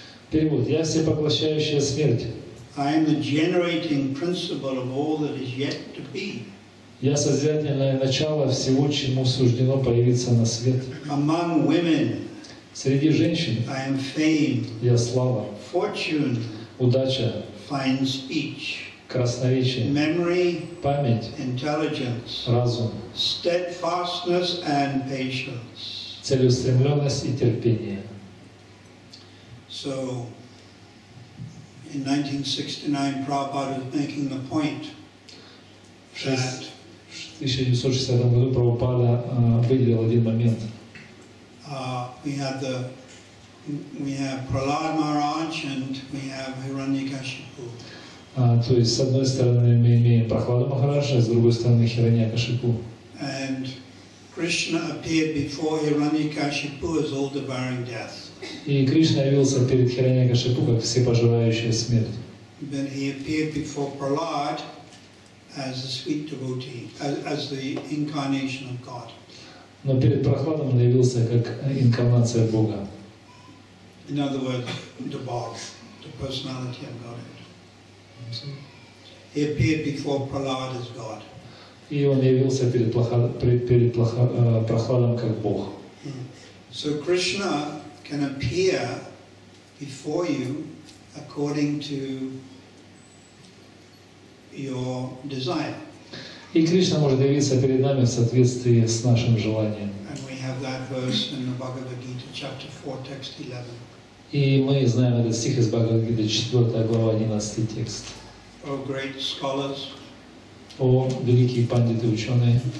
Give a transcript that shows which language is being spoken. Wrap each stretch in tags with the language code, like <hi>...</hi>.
<ru>Перевод: Я всепоглощающая смерть.</ru> <en>I am the generating principle of all that is yet to be.</en> <ru>Я созидательное начало всего, чему суждено появиться на свет.</ru> <en>Among women.</en> <ru>Среди женщин.</ru> <en>I am fame.</en> <ru>Я слава.</ru> <en>Fortune.</en> <ru>Удача.</ru> <en>Fine speech.</en> <ru>Красноречие,</ru> <en>memory,</en> <ru>память,</ru> <en>intelligence,</en> <ru>разум,</ru> <en>steadfastness and patience,</en> <ru>целеустремленность и терпение.</ru> <en>So, in 1969, Prabhupada was making the point that we have Prahlad Maharaj and we have Hiranyakashipu.</en> <ru>То есть, с одной стороны, мы имеем Прахлада Махараджа, а с другой стороны, Хираньякашипу.</ru> <en>And Krishna appeared before Hiranyakashipu as all devouring death.</en> <ru>И Кришна явился перед Хираньякашипу как всепожирающая смерть.</ru> <en>Then he appeared before Prahlad as the sweet devotee, as the incarnation of God.</en> <ru>Но перед Прахладом он явился как инкарнация Бога.</ru> <en>In other words, the Bog, the personality of God. He appeared before Prahlad as God.</en> <ru>И он явился перед Прахладом как Бог.</ru> <en>So Krishna can appear before you according to your desire.</en> <ru>И Кришна может явиться перед нами в соответствии с нашим желанием.</ru> <en>And we have that verse in the Bhagavad Gita, chapter 4, text 11.</en> <ru>И мы знаем этот стих из Бхагавад Гиты, 4 глава, 11 текст.</ru> <en>O great scholars,</en> <ru>о великие пандиты, ученые,</ru>